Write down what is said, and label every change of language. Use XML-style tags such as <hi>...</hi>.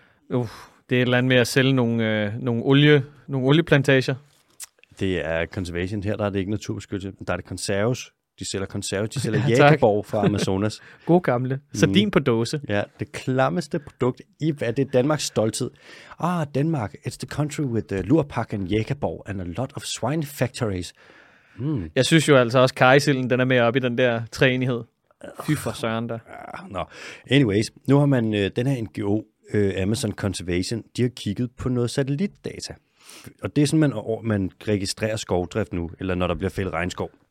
<da>Det er et eller andet med at sælge nogle olieplantager. Det er conservation. Her der er det ikke naturbeskyttelse, men der er det konserves. De sælger konserves. De sælger jægerborg fra Amazonas. God gamle. Sardin på dåse. Ja, det klammeste produkt i hvad det er Danmarks stolthed. Ah, Danmark.</da> <en>It's the country with the lurpak and jægerborg and a lot of swine factories.</en> <da>Jeg synes jo altså også, at kajsilden, den er mere oppe i den der træenighed. Fy for søren der. Nå. Anyways, nu har man den her NGO, Amazon Conservation, de har kigget på noget satellitdata. Og det er sådan, man registrerer skovdrift nu, eller når der bliver fældet regnskov.</da>